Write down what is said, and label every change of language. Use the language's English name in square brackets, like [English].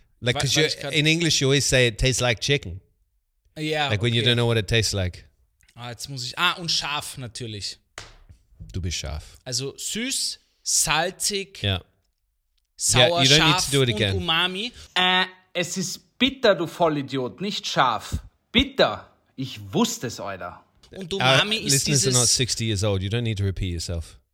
[English] Like, because in English you always say it tastes like chicken. Yeah. Like when you don't know what it tastes like. [German] Ah, jetzt muss ich. Ah, und scharf natürlich. Du bist scharf. Also süß, salzig. Ja. [English] Sauer, you don't scharf need to do it again. [German] Und umami. Es ist bitter, du Vollidiot, nicht scharf. Bitter. Ich wusste es, Alter. Und umami ist dieses. [English] Listeners are not 60 years old. You don't need to repeat yourself.